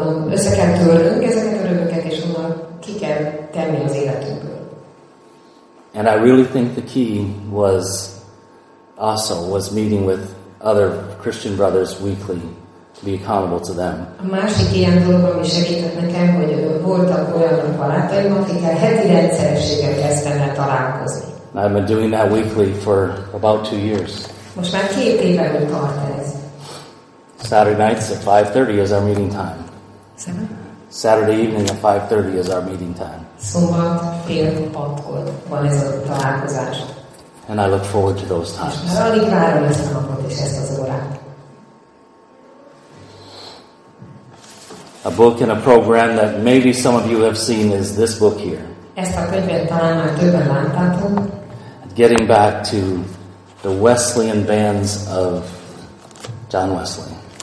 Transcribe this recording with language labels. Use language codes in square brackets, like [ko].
[hu] Össze kell törnünk ezeket a rögöket, és onnan ki kell tenni az életünkből. [en] And I really think the key was meeting with other Christian brothers weekly to be accountable to them. [hu] A másik ilyen dolog, ami segített nekem, hogy voltak olyan barátaim, akikkel heti rendszerességgel kezdtem el találkozni. [en] I've been doing that weekly for about 2 years. [hu] Most már 2 éve úgy tart ez. [en] Saturday nights at 5:30 is our meeting time. Saturday evening at 5:30 is our meeting time. [hu] Szombat fél hatkor van ez a találkozás. [en] And I look forward to those times. [hu] És alig várom ezt a napot és ezt az órát. [en] A book and a program that maybe some of you have seen is this book here. [hu] Ezt a könyvet talán már többen láttátok. [en] Getting back to the Wesleyan bands of John Wesley.